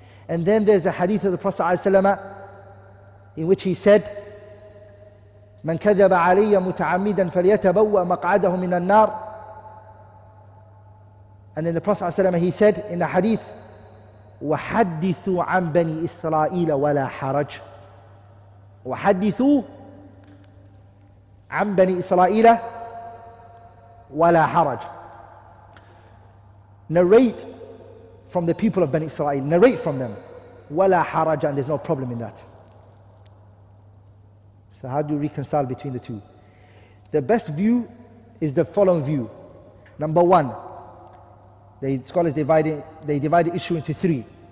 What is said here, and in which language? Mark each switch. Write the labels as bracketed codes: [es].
[en] And then there's a hadith of the Prophet ﷺ in which he said, [ar] من كذب علي متعمدا فليتبوأ مقعده من النار. [en] And then the Prophet ﷺ, he said in the hadith, [ar] وحدثوا عن بني إسرائيل ولا حرج. وحدثوا عن بني إسرائيل ولا حرج. [en] Narrate from the people of Bani Israel, narrate from them. [ar] وَلَا حَرَجًا, [en] there's no problem in that. So how do you reconcile between the two? The best view is the following view. Number one, the scholars divide the issue into three.